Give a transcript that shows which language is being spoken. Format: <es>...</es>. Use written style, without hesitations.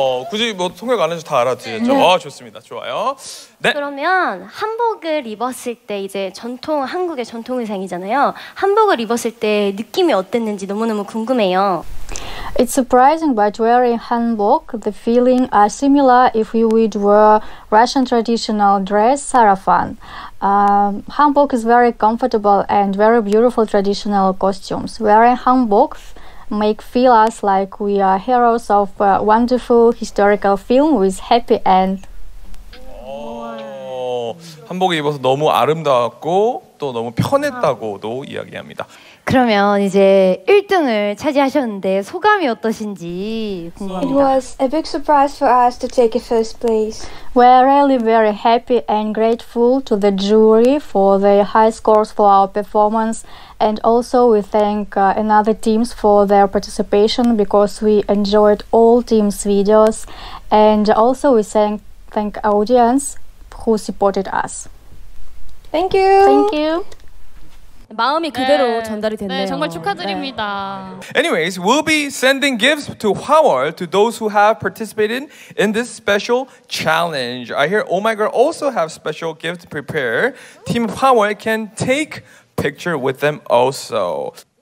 <ko>굳이 뭐 통역 안 해서 다 알았지. 네. 아, 좋습니다. 좋아요. 네. 그러면 한복을 입었을 때 이제 전통 한국의 전통 의상이잖아요. 한복을 입었을 때 느낌이 어땠는지 너무너무 궁금해요.</ko> <en>It's surprising but wearing hanbok the feeling are similar if we would wear Russian traditional dress sarafan. Hanbok is very comfortable and very beautiful traditional costumes. Wearing hanbok make feel us like we are heroes of a wonderful historical film with happy end.</en> <ko>한복을 입어서 너무 아름다웠고 또 너무 편했다고도 이야기합니다. 그러면 이제 1등을 차지하셨는데 소감이 어떠신지 궁금합니다.</ko> <en>It was a big surprise for us to take a first place. We are really very happy and grateful to the jury for the high scores for our performance. And also we thank another teams for their participation because we enjoyed all teams' videos. And also we thank audience who supported us. Thank you. Thank you.</en> <ko>마음이 그대로 네. 전달이 됐네요. 네, 정말 축하드립니다. 네.</ko> <en>Anyways, we'll be sending gifts to Hwawol to those who have participated in this special challenge. I hear Oh My Girl also have special gifts prepared. Team Hwawol can take picture with them also.</en>